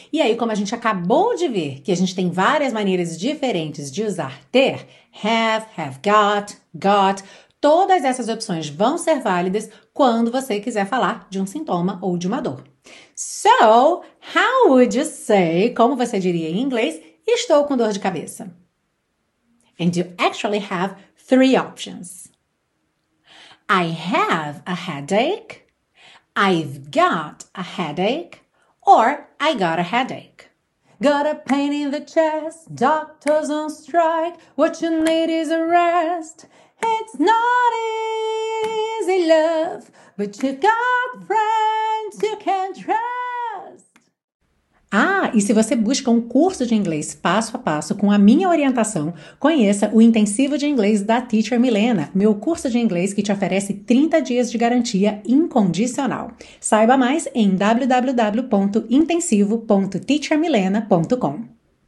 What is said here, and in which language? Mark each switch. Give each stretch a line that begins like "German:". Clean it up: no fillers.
Portuguese: E aí, como a gente acabou de ver que a gente tem várias maneiras diferentes de usar ter, have got, todas essas opções vão ser válidas quando você quiser falar de um sintoma ou de uma dor.
English: So, how would you say,
Portuguese: como você diria em inglês, estou com dor de cabeça?
English: And you actually have three options. I have a headache, I've got a headache, or, I got a headache. Got a pain in the chest. Doctor's on strike. What you need is a rest. It's not easy, love. But you got friends you can trust.
Portuguese: Ah, e se você busca um curso de inglês passo a passo com a minha orientação, conheça o Intensivo de Inglês da Teacher Milena, meu curso de inglês que te oferece 30 dias de garantia incondicional. Saiba mais em www.intensivo.teachermilena.com.